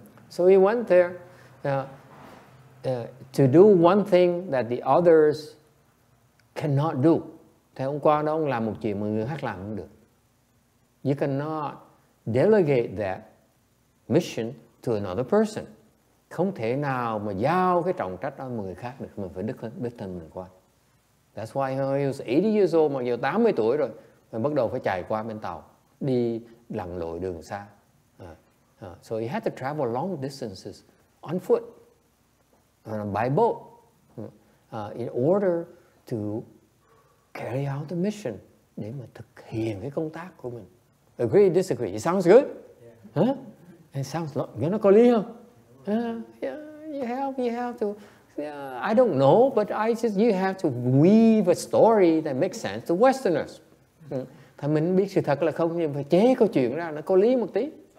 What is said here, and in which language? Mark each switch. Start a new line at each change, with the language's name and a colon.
English: So he went there to do one thing that the others cannot do.
Vietnamese: Thì hôm qua đó ông làm một chuyện mà người khác làm không được.
English: You cannot delegate that mission to another person.
Vietnamese: Không thể nào mà giao cái trọng trách đó người khác được. Mình phải đích thân mình qua.
English: That's why he was 80 years old,
Vietnamese: mặc dù 80 tuổi rồi. Mình bắt đầu phải chạy qua bên tàu, đi lặn lội đường xa.
English: So he had to travel long distances on foot, by boat, in order to carry out the mission,
Vietnamese: để mà thực hiện cái công tác của mình.
English: Agree, disagree? It sounds good? Yeah. It sounds like,
Vietnamese: nó có lý không?
English: I don't know, but I just, you have to weave a story that makes sense to Westerners.
Vietnamese: Thì mình biết sự thật là không, nhưng phải chế câu chuyện ra, nó có lý một tí.